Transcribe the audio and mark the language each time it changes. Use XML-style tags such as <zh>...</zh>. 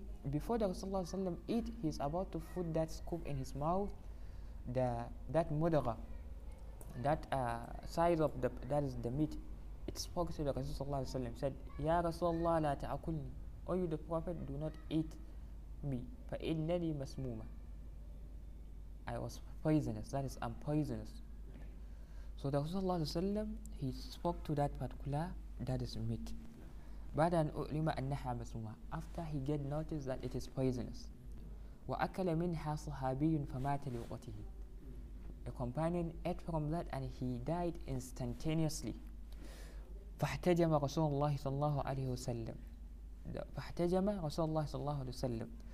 <en>Before the Rasul sallallahu alayhi wa sallam eat, he's about to put that scoop in his mouth, that mudagha, that size of that is the meat, it spoke to the Rasul sallallahu alayhi wa sallam, said,</en> <ar>Ya Rasulullah la ta'akulni,</ar> <en>O you the Prophet, do not eat me,</en> <ar>fa innani masmuma.</ar> <en>I was poisonous, that is, I'm poisonous. So the Rasul sallallahu alayhi wa sallam, he spoke to that particular, that is meat.</en> <ar>بعد أن أعلم أنها مسمومة.</ar> <en>After he get noticed that it is poisonous.</en> <ar>وأكل منها صحابي فمات لوقته.</ar> <en>A companion ate from that and he died instantaneously.</en> <ar>فاحتجم رسول الله صلى الله عليه وسلم. فاحتجم رسول الله صلى الله عليه وسلم.</ar>